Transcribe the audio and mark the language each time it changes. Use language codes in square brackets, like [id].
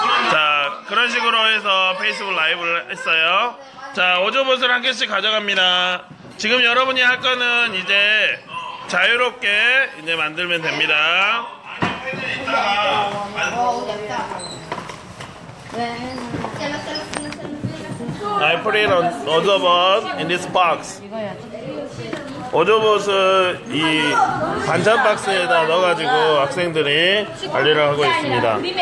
[ko] 자, 그런 식으로 해서 페이스북 라이브를 했어요. 자, 오조봇을 한 개씩 가져갑니다. 지금 여러분이 할 거는 이제 자유롭게 이제 만들면 됩니다. 있다. [en] I put it on Ozobot in this box. [ko] Ozobot을 이 반찬 박스에다 넣어가지고 학생들이 관리를 하고 있습니다.